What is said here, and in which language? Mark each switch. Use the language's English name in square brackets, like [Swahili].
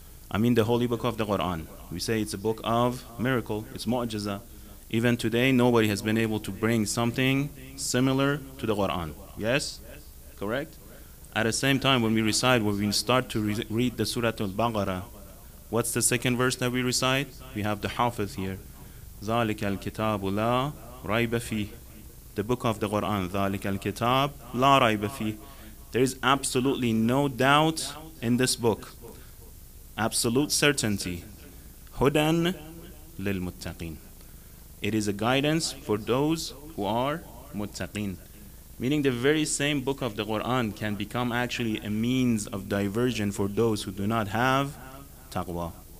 [English] I mean, the holy book of the Quran. We say it's a book of miracle, it's mu'jiza. Even today, nobody has been able to bring something similar to the Quran. Yes? Correct? At the same time, when we recite, when we start to read the Surah Al-Baqarah, what's the second verse that we recite? We have the Hafiz here. [Arabic] ذَلِكَ الْكِتَابُ لَا رَيْبَ فِيهِ. [English] The book of the Quran, [Arabic] ذَلِكَ الْكِتَابُ لَا رَيْبَ فِيهِ. [English] There is absolutely no doubt in this book. Absolute certainty. [Arabic] هُدًى لِلْمُتَّقِينَ. [English] It is a guidance for those who are muttaqin. Meaning the very same book of the Quran can become actually a means of diversion for those who do not have taqwa.